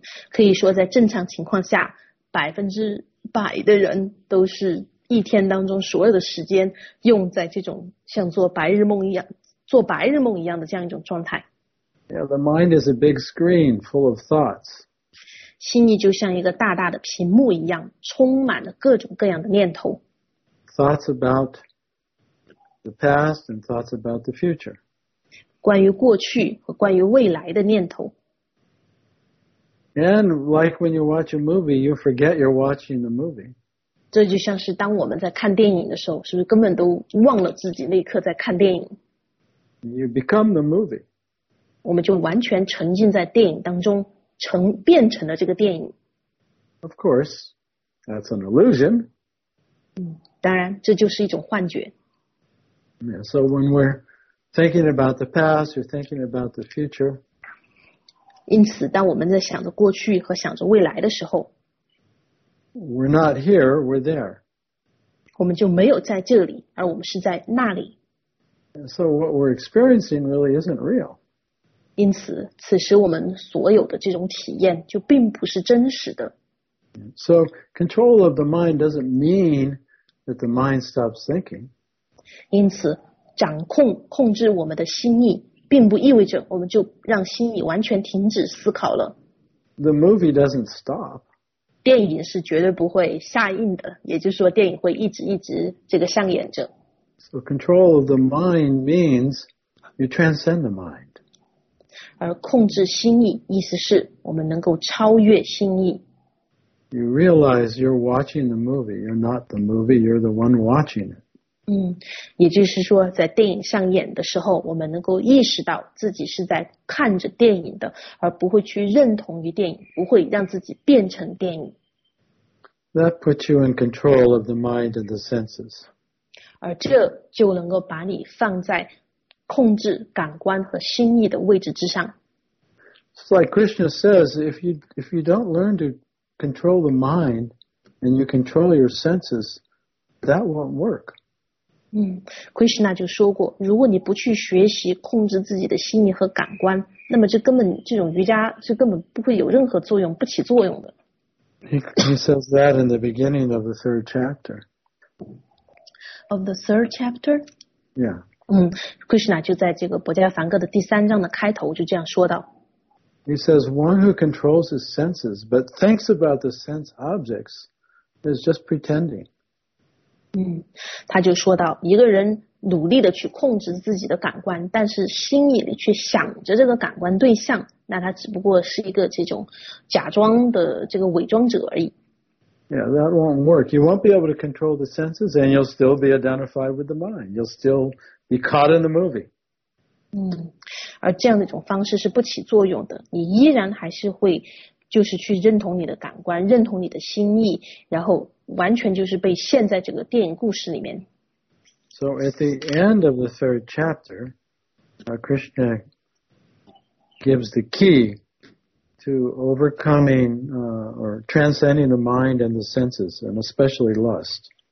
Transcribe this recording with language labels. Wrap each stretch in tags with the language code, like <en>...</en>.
<zh>可以说在正常情况下100%的人都是一天当中所有的时间用在这种像做白日梦一样做白日梦一样的这样一种状态。</zh> <en>Yeah, the mind is a big screen full of thoughts.</en> <zh>心里就像一个大大的屏幕一样充满了各种各样的念头。</zh> <en>Thoughts about the past and thoughts about the future.</en> <zh>关于过去和关于未来的念头。</zh> <en>And like when you watch a movie, you forget you're watching the movie.</en> <zh>这就像是当我们在看电影的时候，是不是根本都忘了自己那一刻在看电影？</zh> <en>You become the movie.</en> <zh>我们就完全沉浸在电影当中，变成了这个电影。</zh> <en>Of course, that's an illusion.</en> <zh>当然，这就是一种幻觉。</zh> <en>Yeah, so when we're thinking about the past, you're thinking about the future.</en> <zh>因此当我们在想着过去和想着未来的时候</zh> <en>We're not here, we're there.</en> <zh>我们就没有在这里而我们是在那里</zh> <en>So what we're experiencing really isn't real.</en> <zh>因此此时我们所有的这种体验就并不是真实的</zh> <en>So control of the mind doesn't mean that the mind stops thinking.</en> <zh>因此掌控控制我们的心意并不意味着我们就让心里完全停止思考了。</zh> <en>The movie doesn't stop.</en> <zh>电影是绝对不会下映的，也就是说电影会一直一直这个上演着。</zh> <en>So control of the mind means you transcend the mind.</en> <zh>而控制心意意思是我们能够超越心意。</zh> <en>You realize you're watching the movie, you're not the movie, you're the one watching it.</en> <zh>也就是说在电影上演的时候我们能够意识到自己是在看着电影的而不会去认同于电影不会让自己变成电影</zh> <en>That puts you in control of the mind and the senses</en> <zh>而这就能够把你放在控制感官和心意的位置之上</zh> <en>It's like Krishna says if you don't learn to control the mind and you control your senses that won't work</en> <zh>Krishna 就说过如果你不去学习控制自己的心理和感官那么这种瑜伽是根本不会有任何作用不起作用的</zh> <en>He says that in the beginning of the third chapter Of the third chapter? Yeah</en> <zh>Krishna 就在这个薄伽梵歌的第三章的开头就这样说道</zh> <en>He says one who controls his senses but thinks about the sense objects is just pretending</en> <zh>他就说到一个人努力地去控制自己的感官但是心里去想着这个感官对象那他只不过是一个这种假装的这个伪装者而已</zh> <en>Yeah, that won't work You won't be able to control the senses and you'll still be identified with the mind You'll still be caught in the movie</en> <zh>而这样的一种方式是不起作用的你依然还是会就是去认同你的感官认同你的心意然后完全就是被陷在整个电影故事里面</zh> <en>So at the end of the third chapter Krishna gives the key to overcoming or transcending the mind and the senses and especially lust</en>